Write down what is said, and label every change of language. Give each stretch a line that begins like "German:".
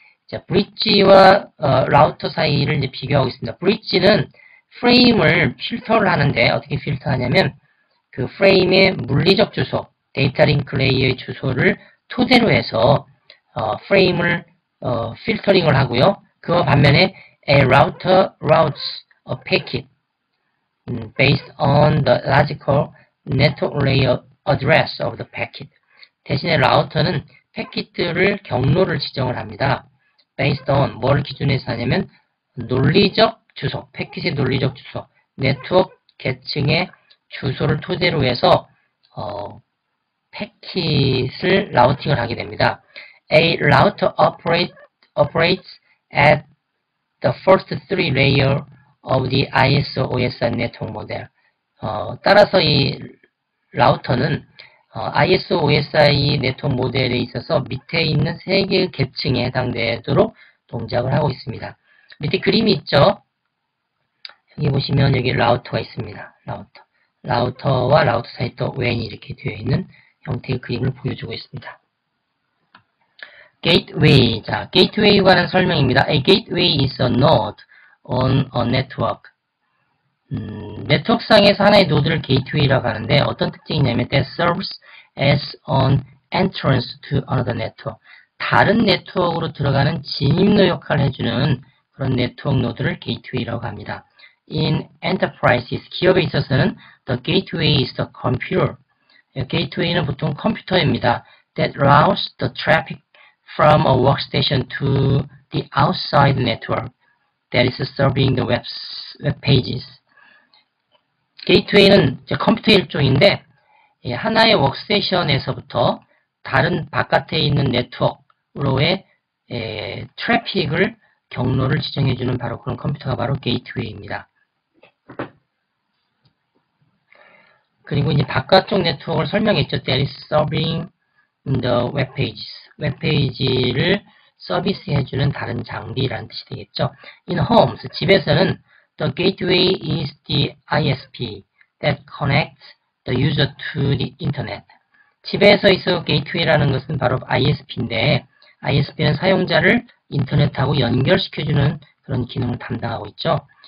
Korean: 자, 브릿지와 라우터 사이를 이제 비교하고 있습니다. 브릿지는 프레임을 필터를 하는데 어떻게 필터하냐면 그 프레임의 물리적 주소, 데이터 링크 레이어의 주소를 토대로 해서 프레임을 필터링을 하고요. 그와 반면에
English: a router routes a packet based on the logical network layer address of the packet.
Korean: 대신에 라우터는 패킷들을 경로를 지정을 합니다.
English: Based on,
Korean: 뭘 기준에서 하냐면, 논리적 주소, 패킷의 논리적 주소, 네트워크 계층의 주소를 토대로 해서, 패킷을 라우팅을 하게 됩니다.
English: A router operates at the first three layer of the ISO OSI network model.
Korean: 따라서 이 라우터는, ISO OSI 네트워크 모델에 있어서 밑에 있는 세 개의 계층에 해당되도록 동작을 하고 있습니다. 밑에 그림이 있죠? 여기 보시면 여기 라우터가 있습니다. 라우터와 라우터 사이 또 WAN이 이렇게 되어 있는 형태의 그림을 보여주고 있습니다. 게이트웨이. 자, 게이트웨이에 관한 설명입니다.
English: A gateway is a node on a network.
Korean: 네트워크상에서 하나의 노드를 게이트웨이라고 하는데 어떤 특징이냐면
English: that serves as an entrance to another network.
Korean: 다른 네트워크로 들어가는 진입로 역할을 해주는 그런 네트워크 노드를 게이트웨이라고 합니다.
English: In enterprises,
Korean: 기업에 있어서는
English: the gateway is the computer.
Korean: 게이트웨이는 보통 컴퓨터입니다.
English: That routes the traffic from a workstation to the outside network that is serving the web pages.
Korean: 게이트웨이는 이제 컴퓨터 일종인데 하나의 워크스테이션에서부터 다른 바깥에 있는 네트워크로의 트래픽을 경로를 지정해주는 바로 그런 컴퓨터가 바로 게이트웨이입니다. 그리고 이제 바깥쪽 네트워크를 설명했죠.
English: That is serving the web pages.
Korean: 웹페이지를 서비스해주는 다른 장비라는 뜻이 되겠죠.
English: In homes,
Korean: 집에서는
English: the gateway is the ISP that connects the user to the internet.
Korean: 집에서 있어 gateway라는 것은 바로 ISP인데, ISP는 사용자를 인터넷하고 연결시켜주는 그런 기능을 담당하고 있죠.